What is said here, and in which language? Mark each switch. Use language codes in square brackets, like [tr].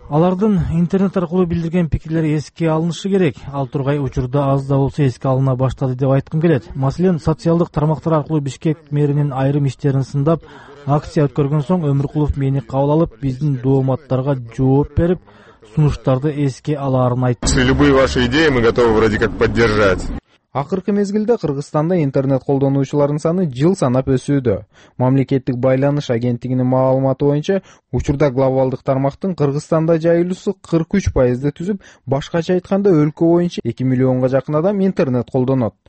[ky] Алардын интернет аркылуу билдирген пикирлери эске алынышы керек. Ал тургай учурда аз да болсо эске алына баштады деп айткым келет. Маселен, социалдык тармактар аркылуу Бишкек мэринин айрым иштерин сындап акция өткөргөн соң Өмүркулов мени кабыл алып, биздин дооматтарга жооп берип, сунуштарды эске алаарын айтты. [ru] Любые ваши идеи мы готовы вроде как поддержать. [ky] Акыркы мезгилде Кыргызстанда интернет колдонуучуларынын саны жыл санап өсүүдө. Мамлекеттик байланыш агенттигинин маалыматы боюнча, учурда глобалдык тармактын Кыргызстанда жайылуусу 43% түзүп, башкача айтканда өлкө боюнча 2 миллионго жакын адам интернет колдонот.